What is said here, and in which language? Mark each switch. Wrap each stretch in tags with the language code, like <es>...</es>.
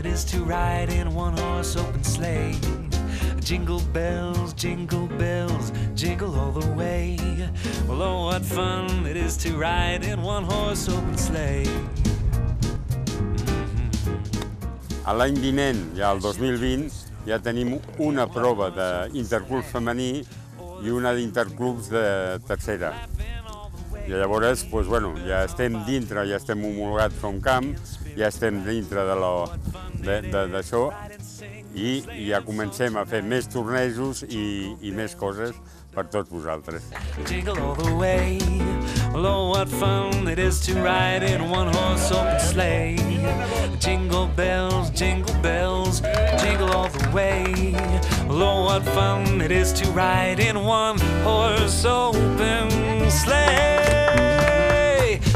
<en>To ride in a one-horse open sleigh. Jingle bells, jingle bells, jingle all the way. Well, oh, what fun it is to ride in one-horse open sleigh.</en> <ca>A l'any vinent, ja el 2020, ja tenim una prova d'interclubs femení i una d'interclubs de tercera. I llavors, pues, bueno, ja estem dintre, ja estem homologats com camp, ja estem dintre de la... d'això, i ja comencem a fer més tornejos i més coses per tots vosaltres.</ca> <en>Jingle all the way, oh, what fun it is to ride in one horse open sleigh. Jingle bells, jingle bells, jingle all the way, oh, what fun it is to ride in one horse open sleigh.</en>